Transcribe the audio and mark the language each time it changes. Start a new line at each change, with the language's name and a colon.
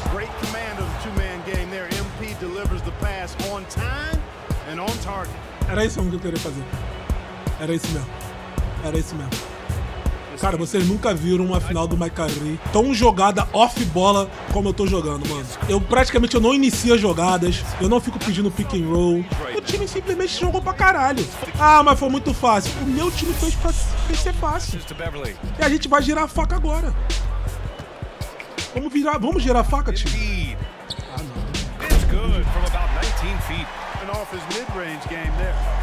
English: Great command of the two-man game there. MP delivers the pass on time and on target.
Portuguese: Era isso mesmo que eu queria fazer. Era isso mesmo. Era isso mesmo. Cara, vocês nunca viram uma final do Mike Curry tão jogada off-bola como eu tô jogando, mano. Eu praticamente eu não inicio as jogadas, eu não fico pedindo pick and roll. O time simplesmente jogou pra caralho. Ah, mas foi muito fácil. O meu time fez ser fácil. E a gente vai girar a faca agora. Vamos girar a faca, time? Ah, não.
English: It's good from about 19 feet. And off his mid-range game there.